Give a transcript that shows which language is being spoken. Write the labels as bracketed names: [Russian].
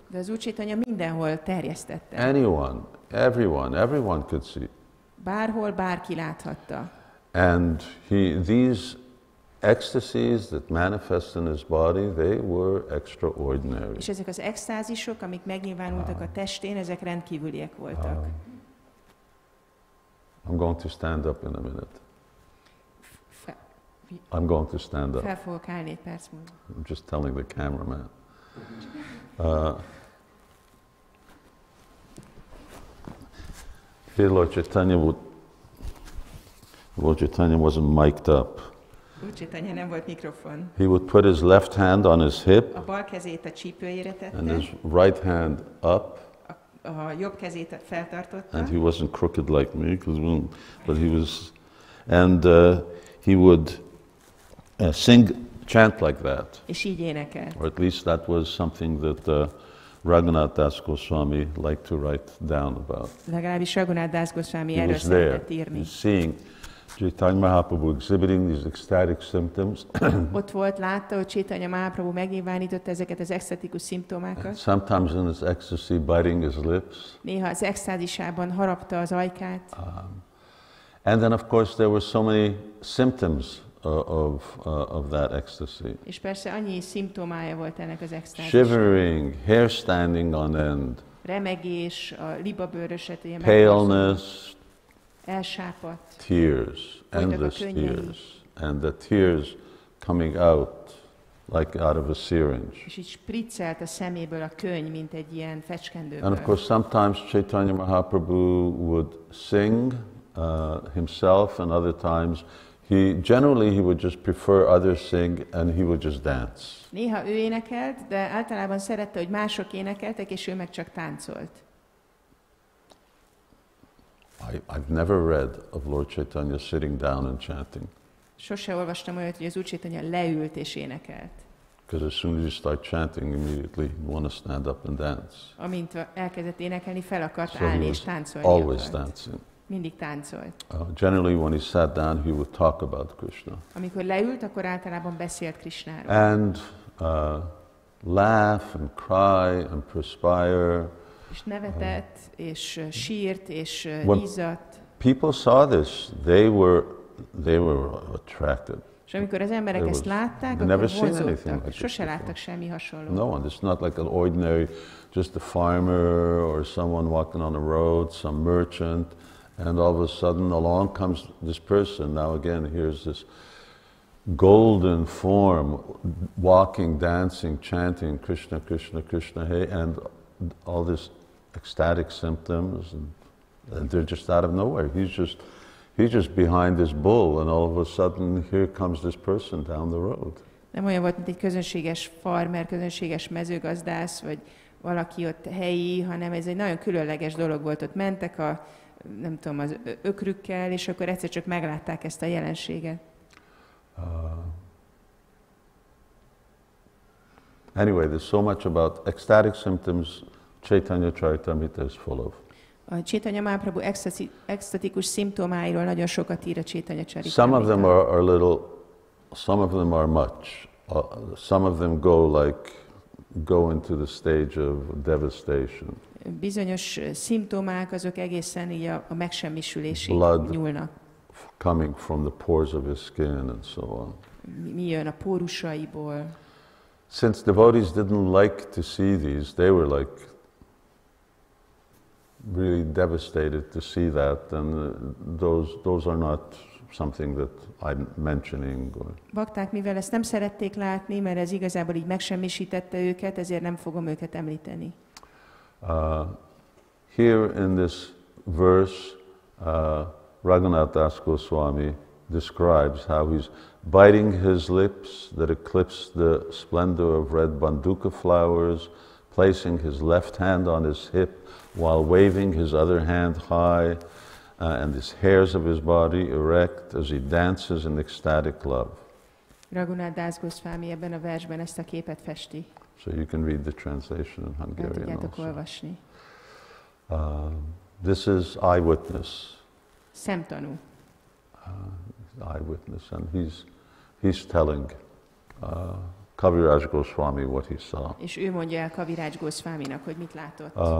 [Hungarian] De az Úr-Csaitanya mindenhol terjesztette. [English] Anyone, everyone could see. [Hungarian] Bárhol bárki láthatta. [English] And these ecstasies that manifest in his body, they were extraordinary. [Hungarian] És ezek az extázisok, amik megnyilvánultak a testén, ezek rendkívüliek voltak. [English] I'm going to stand up in a minute. I'm going to stand up. I'm just telling the cameraman. Here Lord Chaitanya would... Lord Chaitanya wasn't mic'd up. [Hungarian] Lord Chaitanya nem volt mikrofon. [English] He would put his left hand on his hip. [Hungarian] A bal kezét a csípőjére tette. [English] And his right hand up. [Hungarian] A jobb kezét feltartotta. [English] And he wasn't crooked like me. But he was... And he would... chant like that. [Hungarian] És így énekel. [English] Or at least that was something that Raghunath Das Goswami liked to write down about. [Hungarian] Legalábbis Raghunath Das Goswami erről szeretett írni. [English] He was there, seeing Chaitanya Mahaprabhu exhibiting these ecstatic symptoms. [Hungarian] Ott volt, látta, hogy Chaitanya Mahaprabhu megnyilvánította ezeket az ecstatikus szimptomákat. [English] Sometimes in his ecstasy, biting his lips. [Hungarian] Néha az extázisában harapta az ajkát. [English] And then of course there were so many symptoms of that ecstasy. [Hungarian] És persze annyi szimptomája volt ennek az extázisnak. [English] Shivering, hair standing on end. [Hungarian] Remegés, a liba bőröset. [English] Paleness. [Hungarian] Elsápadt. [English] Tears, endless tears. And the tears coming out like out of a syringe. [Hungarian] És így spriccelt a szeméből a könny, mint egy ilyen fecskendőből. [English] And of course sometimes Chaitanya Mahaprabhu would sing himself, and other times he would just prefer others sing and he would just dance. [Hungarian] Néha ő énekelt, de általában szerette, hogy mások énekeltek, és ő meg csak táncolt. [English] I've never read of Lord Chaitanya sitting down and chanting. [Hungarian] Sose olvastam olyat, hogy az Úr Chaitanya leült és énekelt. [English] Because as soon as you start chanting, immediately you want to stand up and dance. [Hungarian] Amint elkezdett énekelni, fel akart állni és táncolni. [English] Always dancing. [Hungarian] Mindig táncolt. [English] Generally, when he sat down, he would talk about Krishna. [Hungarian] Amikor leült, akkor általában beszélt Krishnáról. [English] And laugh and cry and perspire. [Hungarian] És nevetett és sírt és ízott. [English] People saw this, they were attracted. [Hungarian] És amikor az emberek ezt látták, akkor vonzódtak. Sose láttak semmi hasonlót. [English] No one. It's not like an ordinary, just a farmer or someone walking on the road, some merchant, and all of a sudden along comes this person. Now again, here's this golden form, walking, dancing, chanting, Krishna, Krishna, Krishna, hey, and all these ecstatic symptoms, and they're just out of nowhere. He's just behind this bull, and all of a sudden, here comes this person down the road. [Hungarian] Nem olyan volt, mint egy közönséges farmer, közönséges mezőgazdász, vagy valaki ott helyi, hanem ez egy nagyon különleges dolog volt. Ott mentek a, nem tudom, az ökrükkel, és akkor egyszer csak meglátták ezt a jelenséget. [English] Anyway, there's so much about ecstatic symptoms Chaitanya Charitamrita is full of. [Hungarian] A Chaitanya Mahaprabhu extatikus szimptomáiról nagyon sokat ír a Chaitanya Charitamrita. [English] Some of them are little, some of them are much. Some of them go into the stage of devastation. [Hungarian] Bizonyos szimptomák azok egészen így a megsemmisülésig nyúlnak. [English] Coming from the pores of his skin and so on. [Hungarian] Mi jön a pórusaiból? [English] Since devotees didn't like to see these, they were like really devastated to see that, and those are not something that I'm mentioning. [Hungarian] Bakták, mivel ezt nem szerették látni, mert ez igazából így megsemmisítette őket, ezért nem fogom őket említeni. [English] Here in this verse, Raghunath Das Goswami describes how he's biting his lips that eclipse the splendor of red banduka flowers, placing his left hand on his hip while waving his other hand high, and his hairs of his body erect as he dances in ecstatic love. [Hungarian] Raghunath Das Goswami ebben a versben ezt a képet festi. [English] So you can read the translation in Hungarian also. [Hungarian] Tudjátok olvasni. [English] This is eyewitness. [Hungarian] Szemtanú. [English] Eyewitness, and he's telling Kaviraj Goswami what he saw. [Hungarian] És ő mondja el Kaviraj Goswaminak, hogy mit látott.